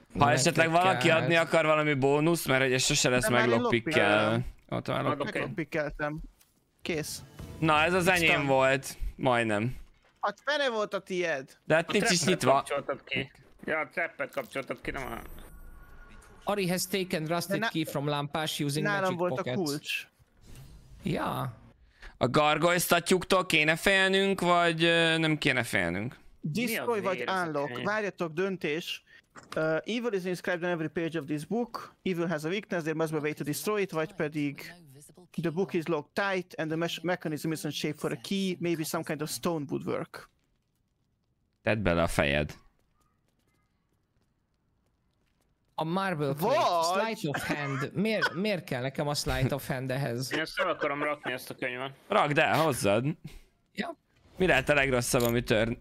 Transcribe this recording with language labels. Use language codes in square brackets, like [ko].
[hu] Ha esetleg valaki kell. Adni akar valami bónusz, mert ugye sose lesz meglopikkel. Ott már meglopikkeltem. Kész. Na ez az enyém Istan. Volt. Majdnem. A fene volt a tied. De hát a nincs is nyitva. Ja, a trappet kapcsoltad ki, nem a... [en] Ari has taken rusted key from lampás using magic pockets. [hu] Volt a kulcs. Ja. A gargoyle statyuktól kéne félnünk, vagy nem kéne félnünk? Destroy vagy unlock. Várjatok, döntés. [en] Evil is inscribed on every page of this book. Evil has a weakness, there must be a way to destroy it, [hu] vagy pedig... [en] The book is locked tight and the mechanism isn't shaped for a key, maybe some kind of stone woodwork. [hu] Tedd bele a fejed. [en] A marble plate, sleight of hand. [hu] Miért kell nekem a sleight of hand ehhez? Én ezt el akarom rakni ezt a könyvet. Rakd el, hozzad. Ja. Mi lehet a legrosszabb, ami törn?